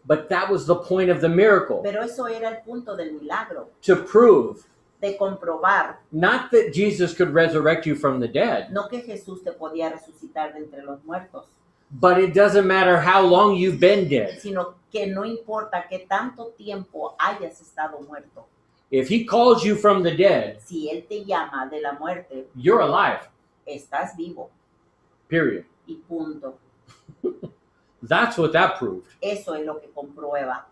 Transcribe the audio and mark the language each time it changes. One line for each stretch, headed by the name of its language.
English: But that was the point of the miracle.
Spanish: Pero eso era el punto del milagro.
English: To prove.
Spanish: De comprobar.
English: Not that Jesus could resurrect you from the dead.
Spanish: No que Jesús te podía resucitar de entre los muertos.
English: But it doesn't matter how long you've been dead.
Spanish: Sino que no importa que tanto tiempo hayas estado muerto.
English: If he calls you from the dead.
Spanish: Si él te llama de la muerte.
English: You're alive.
Spanish: Estás vivo.
English: Period.
Spanish: Y punto.
English: That's what that proved.
Spanish: Eso es lo que comprueba.